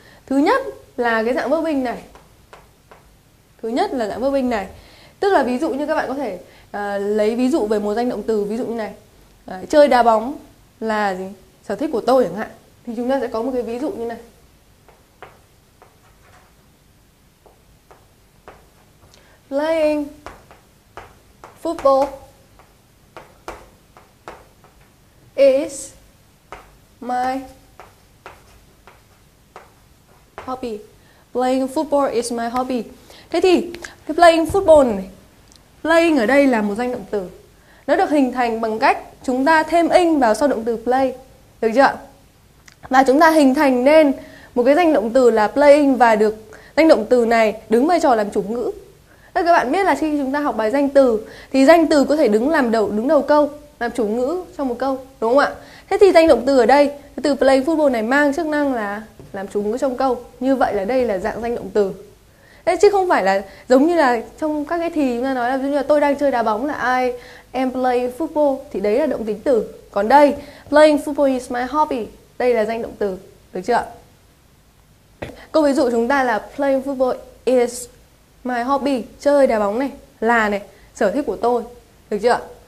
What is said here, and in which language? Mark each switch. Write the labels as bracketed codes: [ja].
[vi] Thứ nhất là cái dạng verb in này. Thứ nhất là dạng verb in này. Tức là ví dụ như các bạn có thể lấy ví dụ về một danh động từ, ví dụ như này. Chơi đá bóng là gì? Sở thích của tôi chẳng hạn. Thì chúng ta sẽ có một cái ví dụ như này. [en] Playing football is my hobby. Playing football is my hobby. [vi] Thế thì cái playing football này, playing ở đây là một danh động từ. Nó được hình thành bằng cách chúng ta thêm in vào sau động từ play. Được chưa? Và chúng ta hình thành nên một cái danh động từ là playing và được danh động từ này đứng vai trò làm chủ ngữ. Các bạn biết là khi chúng ta học bài danh từ thì danh từ có thể đứng làm đầu, đứng đầu câu, làm chủ ngữ trong một câu, đúng không ạ? Thế thì danh động từ ở đây, từ play football này mang chức năng là làm chủ ngữ trong câu. Như vậy là đây là dạng danh động từ. Thế chứ không phải là giống như là trong các cái thì chúng ta nói là ví dụ như là tôi đang chơi đá bóng là [en] I am playing football [vi] thì đấy là động tính từ. [en] Còn đây, playing football is my hobby. [vi] Đây là danh động từ, được chưa? Câu ví dụ chúng ta là [en] playing football is my hobby, [vi] chơi đá bóng này là này sở thích của tôi, được chưa?